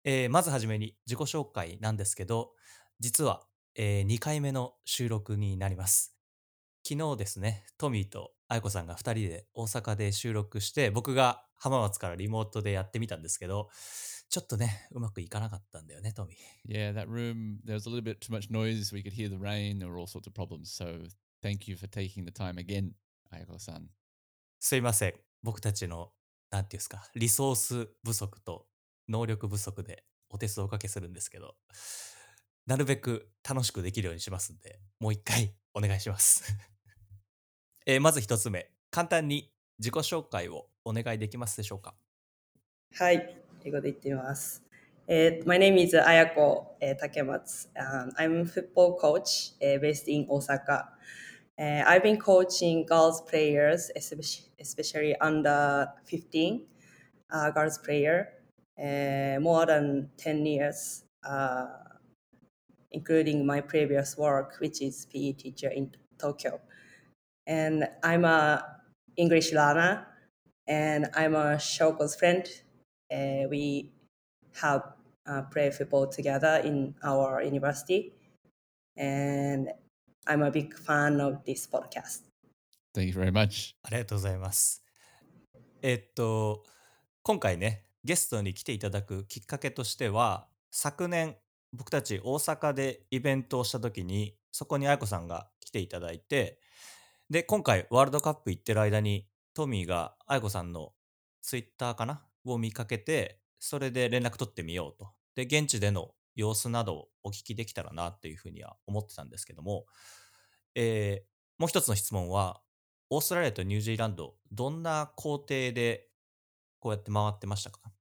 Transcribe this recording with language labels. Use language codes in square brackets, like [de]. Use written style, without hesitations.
[ja] まずはじめに自己紹介なんですけど、実は、2回目の収録になります。昨日ですね、トミーと彩子さんが2人で大阪で収録して、僕が浜松からリモートでやってみたんですけど、ちょっとね、うまくいかなかったんだよね、トミー。 [en] Yeah, that room, there was a little bit too much noise, we could hear the rain, there were all sorts of problems, so thank you for taking the time again, 彩子さん。 [ja] すいません、僕たちの、なんていうんですか、リソース不足と、能力不足でお手数をおかけするんですけど、なるべく楽しくできるようにしますんで、もう一回お願いします。まず一つ目、簡単に自己紹介をお願いできますでしょうか。はい、英語で言ってみます。 [en] My name is Ayako Takematsu. I'm a football coach based in Osaka. I've been coaching girls players, especially under 15 girls player. More than 10 years, including my previous work, which is PE teacher in Tokyo. And I'm an English learner, and I'm a Shoko's friend. We have played football together in our university, and I'm a big fan of this podcast. Thank you very much. [ja] ありがとうございます。今回ね、ゲストに来ていただくきっかけとしては、昨年僕たち大阪でイベントをした時にそこに彩子さんが来ていただいて、で今回ワールドカップ行ってる間にトミーが彩子さんのツイッターかなを見かけて、それで連絡取ってみようと、で現地での様子などをお聞きできたらなっていうふうには思ってたんですけども、もう一つの質問は、オーストラリアとニュージーランドどんな工程でこうやって回ってましたか？